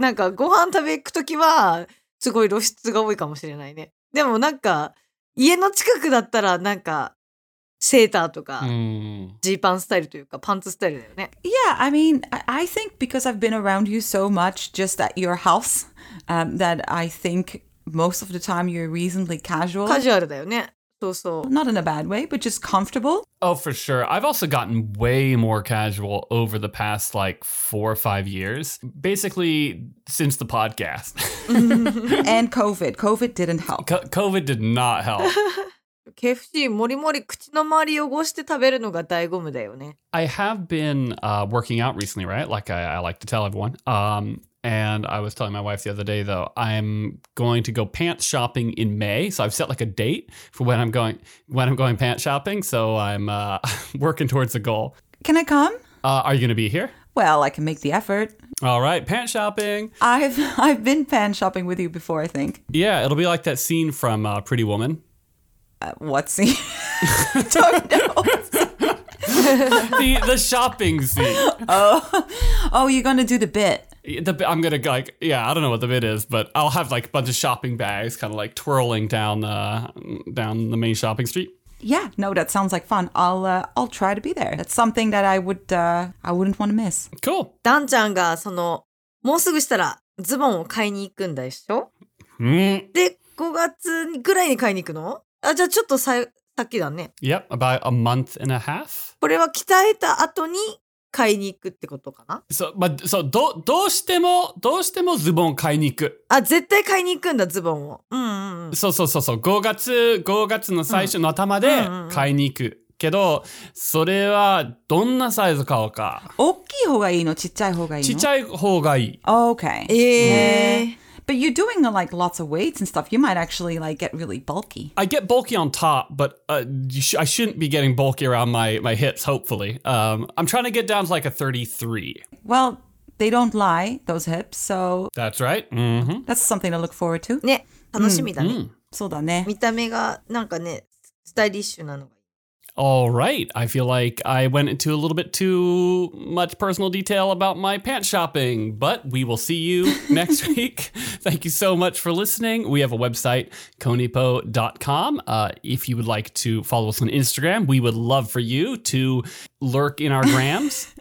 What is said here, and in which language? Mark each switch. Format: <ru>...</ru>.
<ja>なんかご飯食べ行く時はすごい露出が多いかもしれないねでもなんか家の近くだったらなんかセーターとかジーパンスタイルというかパンツスタイルだよね。</ja> <en>Yeah, I mean, I think because I've been around you so much just at your house, that I think most of the time you're reasonably casual.</en> <ja>カジュアルだよね。そうそう。</ja> <en>Not in a bad way, but just comfortable. Oh, for sure. I've also gotten way more casual over the past like 4 or 5 years. Basically, since the podcast. And COVID. COVID didn't help. COVID did not help.</en> <ja>KFC, もりもり口の周り汚して食べるのが醍醐味だよね。</ja> <en>I have been working out recently, right? Like I like to tell everyone. And I was telling my wife the other day, though, I'm going to go pants shopping in May. So I've set like a date for when I'm going pants shopping. So I'm working towards a goal. Can I come? Are you going to be here? Well, I can make the effort. All right, pants shopping. I've been pants shopping with you before, I think. Yeah, it'll be like that scene from Pretty Woman. What scene? Don't know. the shopping scene. Oh, you're going to do the bit. I'm gonna like, yeah, I don't know what the bit is, but I'll have like a bunch of shopping bags kind of like twirling down the main shopping street. Yeah, no, that sounds like fun. I'll try to be there. That's something that I wouldn't want to miss. Cool.</en> <ja>Dan-chan がそのもうすぐしたらズボンを買いに行くんでしょ？で、5月ぐらいに買いに行くの？あ、じゃあちょっとさっきだね。</ja> <en>Yep, about a month and a half.</en> <ja>これは鍛えた後に買いに行くってことかな。そう、まあ、そう、どうしてもズボン買いに行く。あ、絶対買いに行くんだズボンを。そうそうそうそう。 5月の最初の頭で買いに行くけど、それはどんなサイズ買おうか。大きい方がいいの、ちっちゃい方がいいの。ちっちゃい方がいい。</ja> <en>Okay. But you're doing like lots of weights and stuff. You might actually like get really bulky. I get bulky on top, but I shouldn't be getting bulky around my hips, hopefully. I'm trying to get down to like a 33. Well, they don't lie, those hips, so... That's right. That's something to look forward to.</en> <ja>ね、楽しみだね。そうだね。見た目がなんかね、スタイリッシュなのが。</ja> <en>All right. I feel like I went into a little bit too much personal detail about my pants shopping, but we will see you next week. Thank you so much for listening. We have a website, konipo.com. If you would like to follow us on Instagram, we would love for you to lurk in our grams.</en>